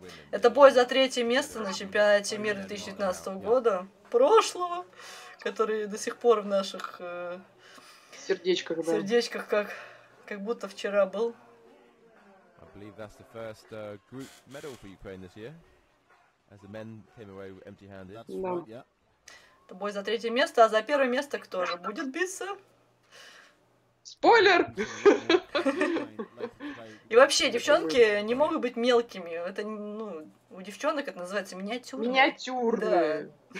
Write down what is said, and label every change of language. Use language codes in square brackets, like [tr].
[ru] Это бой за третье место на чемпионате мира 2019 года, прошлого, который до сих пор в наших сердечках, да. Сердечках как будто вчера был. [en] I believe that's the first group medal for Ukraine this year, as the men came away empty-handed. That's right, yeah. [ru] Бой за третье место, а за первое место кто же будет биться? Спойлер! И вообще, девчонки не могут быть мелкими. Это, ну, у девчонок это называется миниатюрные. Миниатюрные.